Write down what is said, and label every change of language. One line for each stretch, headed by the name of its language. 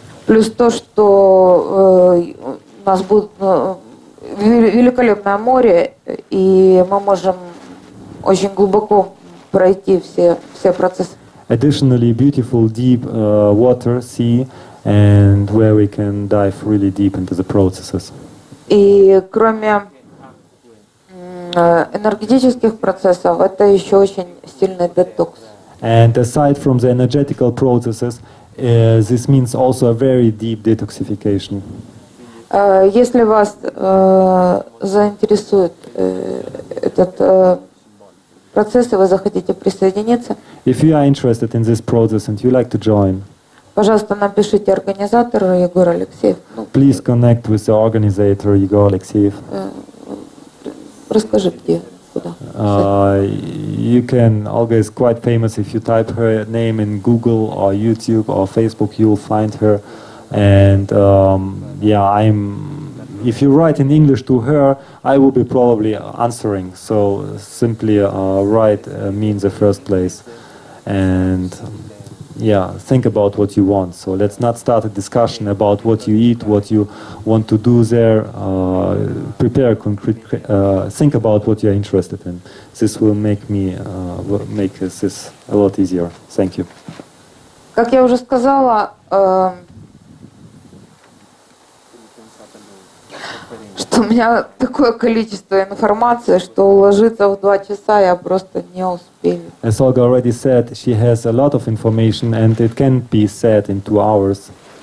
Russian: Плюс то, что у нас будет великолепное море, и мы можем очень глубоко пройти все процессы.
English: Additionally, beautiful deep water, sea, and where we can dive really deep into the processes.
Russian: И кроме энергетических процессов, это еще очень сильный детокс.
English: And aside from the energetical processes, this means also a very deep detoxification.
Russian: Если вас заинтересует этот процесс, и вы захотите присоединиться.
English: If you are interested in this process and you like to join.
Russian: Пожалуйста, напишите организатору Егору Алексееву.
English: Please connect with the organizer Егор Алексеев.
Russian: Расскажи, где, куда.
English: You can. Olga is quite famous. If you type her name in Google or YouTube or Facebook, you'll find her. And I'm. If you write in English to her, I will be probably answering. So simply write me in the first place. And think about what you want. So let's not start a discussion about what you eat, what you want to do there. Prepare concrete, think about what you're interested in. This will make me make this a lot easier. Thank you.
Russian: Как я уже сказала, что у меня такое количество информации, что уложиться в 2 часа я просто не успею.
English: As Olga already said, she has a lot of information and it can be said in 2 hours.